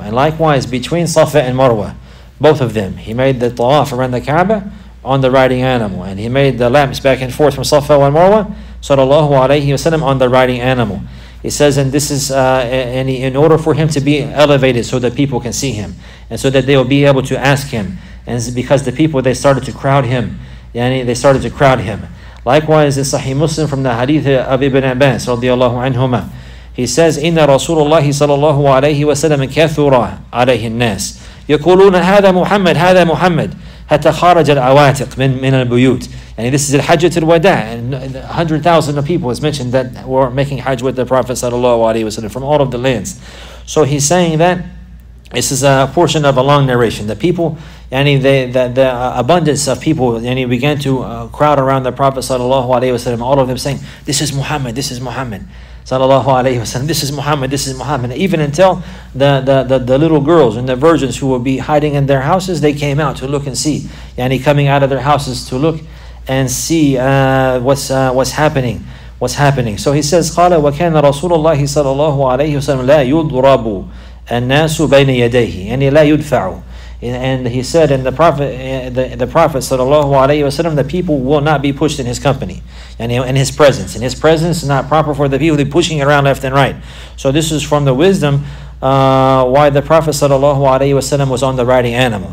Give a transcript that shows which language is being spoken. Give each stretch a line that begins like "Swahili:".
English: And likewise between Safa and Marwa, both of them, he made the tawaf around the Kaaba on the riding animal, and he made the laps back and forth from Safa and Marwa sallallahu alayhi wa sallam on the riding animal. He says, and this is in order for him to be elevated so that people can see him, and so that they will be able to ask him. And it's because the people, they started to crowd him. Yani, they started to crowd him. Likewise, in Sahih Muslim from the Hadith of Ibn Abbas, radiallahu anhuma, he says,
Arabic: إِنَّ رَسُولُ اللَّهِ صَلَى اللَّهُ عَلَيْهِ وَسَلَمَ كَثُرَ عَلَيْهِ النَّاسِ يَقُولُونَ هَذَا مُحَمَّدْ هَذَا مُحَمَّدْ حَتَى خَارَجَ الْعَوَاتِقْ مِنَ الْبُيُوتِ.
English: And this is al-Hajj al-Wada, and 100,000 of people is mentioned that were making Hajj with the Prophet sallallahu alaihi wasallam from all of the lands. So he's saying that this is a portion of a long narration. The people, yani the abundance of people, yani began to crowd around the Prophet sallallahu alaihi wasallam. All of them saying, "This is Muhammad. This is Muhammad." Sallallahu alayhi wa sallam, this is Muhammad, this is Muhammad. Even until the little girls and the virgins who would be hiding in their houses, they came out to look and see. Yani coming out of their houses to look and see what's happening. So he says,
Arabic: قَالَ وَكَانَ رَسُولُ اللَّهِ صَلَى اللَّهُ عَلَيْهِ وَسَلَّمُ لَا يُضْرَبُ النَّاسُ بَيْنَ يَدَيْهِ يعني لا يُدْفَعُ.
English: And he said, and the Prophet sallallahu alayhi wa sallam, the people will not be pushed in his company, and in his presence. And his presence is not proper for the people to be pushing around left and right. So this is from the wisdom why the Prophet sallallahu alayhi wa sallam was on the riding animal.